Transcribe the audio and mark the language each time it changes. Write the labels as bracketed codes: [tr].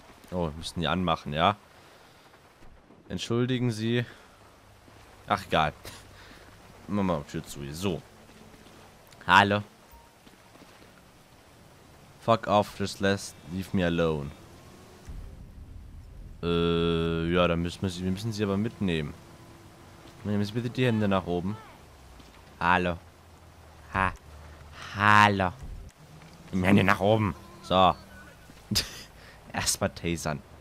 [de] Oh, wir müssen die anmachen, ja. Entschuldigen Sie. Ach, egal. Machen wir mal die Tür zu. So. Hallo. [en] Fuck off, just leave me alone. [de] Ja, dann müssen wir müssen sie aber mitnehmen. Nehmen Sie bitte die Hände nach oben. Hallo. Ha. Hallo. Die Hände nach oben. So. Erstmal tasern.